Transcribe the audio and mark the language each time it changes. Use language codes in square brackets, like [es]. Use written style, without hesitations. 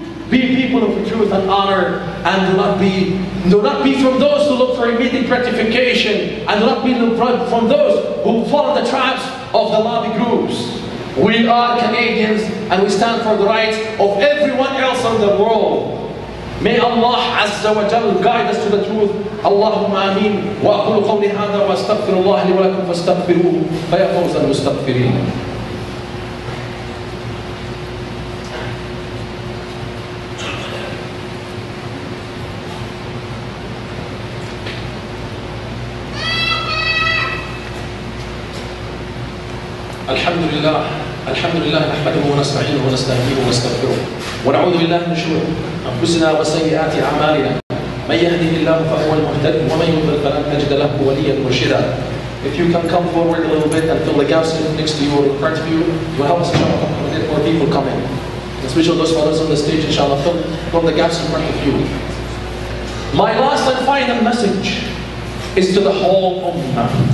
[en] Be people of truth and honor, and do not be from those who look for immediate gratification, and do not be from those who follow the traps of the lobby groups. We are Canadians, and we stand for the rights of everyone else in the world. May Allah [ar] Azza wa Jal [en] guide us to the truth. [ar] اللهم آمين وأقول قولي هذا وأستغفر الله لي ولكم فاستغفروه فيا فوز المستغفرين. الحمد لله الحمد لله نحمده ونستعينه ونستهديه ونستغفره ونعوذ بالله من شرور أنفسنا وسيئات أعمالنا. من يهدي الله فهو المهتد ومن يضلل فلن تجد له وليا مرشدا. [en] If you can come forward a little bit and fill the gaps next to you or in front of you, you help us get more people coming. Especially those fathers on the stage, inshallah, fill the gaps in front of you. My last and final message is to the whole Ummah.